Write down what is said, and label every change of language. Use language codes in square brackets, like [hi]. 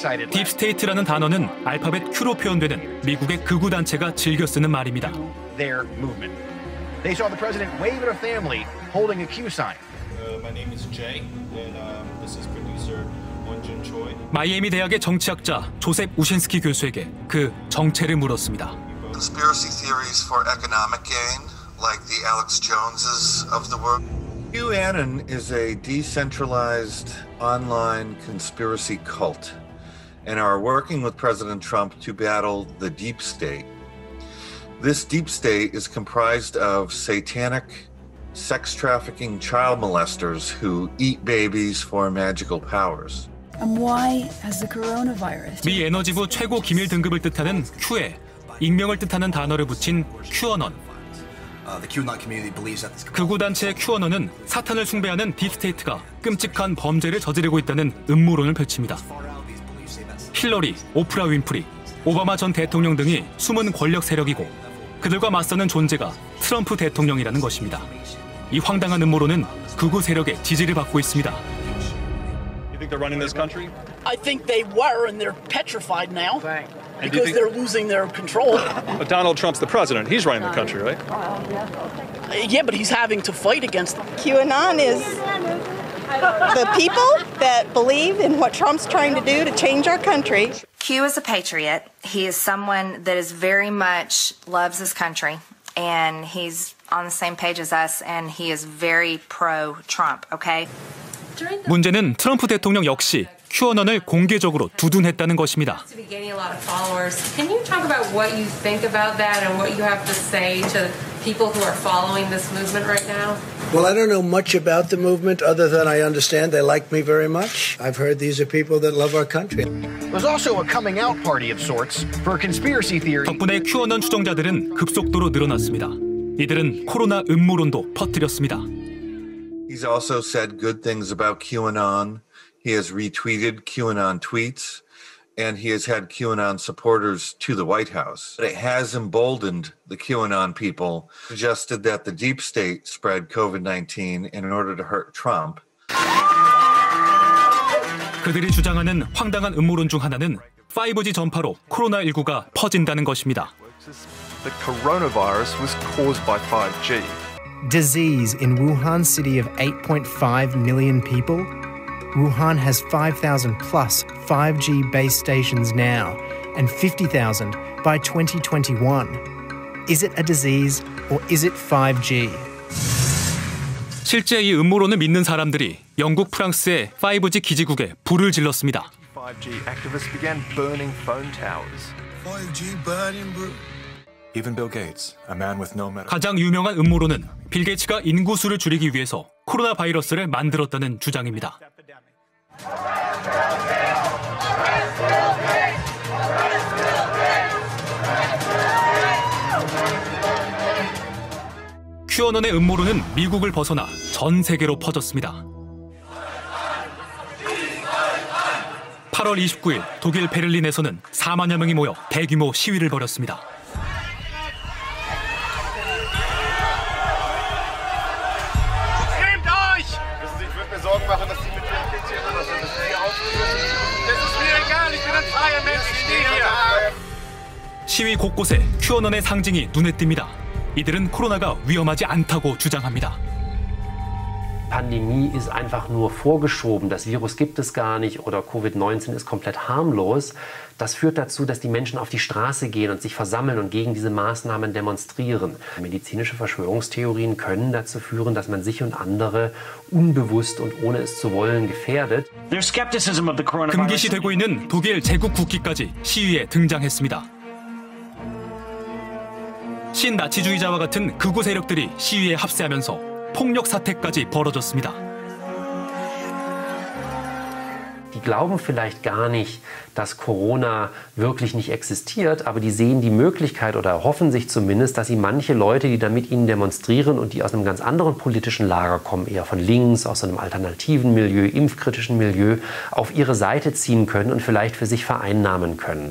[ko] 딥스테이트라는 단어는 알파벳 Q로 표현되는 미국의 극우 단체가 즐겨 쓰는 말입니다. [en] Their movement. They saw the president wave at a family holding a Q sign. My name is Jay, and this is producer Won-jun Choi. [ko] 마이애미 대학의 정치학자 조셉 우신스키 교수에게 그 정체를 물었습니다. [en] Conspiracy theories for economic gain, like the Alex Joneses of the world. QAnon is a decentralized online conspiracy cult, and are working with President Trump to battle the deep state. This deep state is comprised of satanic sex trafficking child molesters who eat babies for magical powers. And why has the coronavirus? [ko] 미 에너지부 최고 기밀 등급을 뜻하는 Q에 익명을 뜻하는 단어를 붙인 QAnon. [en] The QAnon community believes that [ko] 극우 단체 QAnon은 사탄을 숭배하는 딥스테이트가 끔찍한 범죄를 저지르고 있다는 음모론을 펼칩니다. 힐러리, 오프라 윈프리, 오바마 전 대통령 등이 숨은 권력 세력이고 그들과 맞서는 존재가 트럼프 대통령이라는 것입니다. 이 황당한 음모론은 극우 세력의 지지를 받고 있습니다. [en] You think they're running this country? I think they were and they're petrified now. Because they're losing their control. But Donald Trump's the president. He's running the country, right? Yeah, but he's having to fight against them. QAnon is the people that believe in what Trump's trying to do to change our country. Q is a patriot. He is someone that is very much loves his country. And he's on the same page as us. And he is very pro-Trump, okay? [ko] 문제는 트럼프 대통령 역시 QAnon을 공개적으로 두둔했다는 것입니다. [en] Can you talk about what you think about that and what you have to say to people who are following this movement right now? Well, I don't know much about the movement other than I understand they like me very much. I've heard these are people that love our country. There's also a coming out party of sorts for a conspiracy theory. [ko] 덕분에 QAnon 추종자들은 급속도로 늘어났습니다. 이들은 코로나 음모론도 퍼뜨렸습니다. [en] He's also said good things about QAnon. He has retweeted QAnon tweets, and he has had QAnon supporters to the White House. But it has emboldened the QAnon people, suggested that the deep state spread COVID-19 in order to hurt Trump. [ko] 그들이 주장하는 황당한 음모론 중 하나는 5G 전파로 코로나19가 퍼진다는 것입니다. [en] The coronavirus was caused by 5G. Disease in Wuhan city of 8.5 million people. Wuhan has 5,000 plus 5G base stations now, and 50,000 by 2021. Is it a disease or is it 5G? [ko] 실제 이 음모론을 믿는 사람들이 영국 프랑스의 5G 기지국에 불을 질렀습니다. [en] 5G activists began burning phone towers. 5G burning bro. Even Bill Gates, a man with no medical. [ko] 가장 유명한 음모론은 빌 게이츠가 인구 수를 줄이기 위해서 코로나 바이러스를 만들었다는 주장입니다. 큐어넌의 음모론은 미국을 벗어나 전 세계로 퍼졌습니다. 8월 29일 독일 베를린에서는 4만여 명이 모여 대규모 시위를 벌였습니다. 시위 곳곳에 큐어넌의 상징이 눈에 띕니다. 이들은 코로나가 위험하지 않다고 주장합니다. [de] Pandemie ist einfach nur vorgeschoben. Das Virus gibt es gar nicht oder Covid-19 ist komplett harmlos. Das führt dazu, dass die Menschen auf die Straße gehen und sich versammeln und gegen diese Maßnahmen demonstrieren. Medizinische Verschwörungstheorien können dazu führen, dass man sich und andere unbewusst und ohne es zu wollen gefährdet. [en] There's skepticism of the coronavirus. [ko] 금기시 되고 있는 독일 제국 국기까지 시위에 등장했습니다. 신나치주의자와 같은 극우 세력들이 시위에 합세하면서 폭력 사태까지 벌어졌습니다. [de] Die glauben vielleicht gar nicht, dass Corona wirklich nicht existiert, aber die sehen die Möglichkeit oder hoffen sich zumindest, dass sie manche Leute, die da mit ihnen demonstrieren und die aus einem ganz anderen politischen Lager kommen, eher von links, aus einem alternativen Milieu, impfkritischen Milieu, auf ihre Seite ziehen können und vielleicht für sich vereinnahmen können.